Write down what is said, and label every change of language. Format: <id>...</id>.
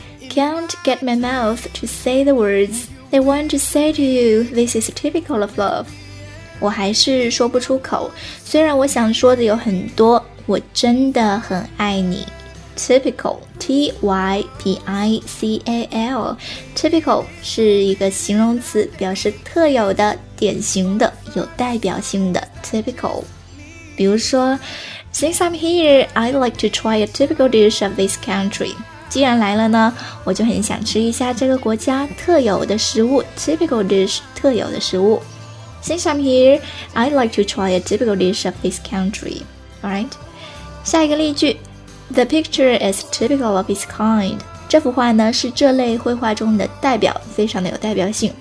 <en>Can't get my mouth to say the words they want to say to you. This is typical of love.</en> <zh>我还是说不出口，虽然我想说的有很多，我真的很爱你。</zh> <en>Typical, T-Y-P-I-C-A-L.</en> <zh>Typical 是一个形容词，表示特有的、典型的、有代表性的。Typical. 比如说</zh> <en>Since I'm here, I'd like to try a typical dish of this country.</en> <zh>既然来了呢，我就很想吃一下这个国家特有的食物。 Typical dish, 特有的食物。</zh> <en>Since I'm here, I'd like to try a typical dish of this country. Alright.</en> <zh>下一个例句。</zh> <en>The picture is typical of its kind.</en> <zh>这幅画呢是这类绘画中的代表，非常的有代表性。</zh>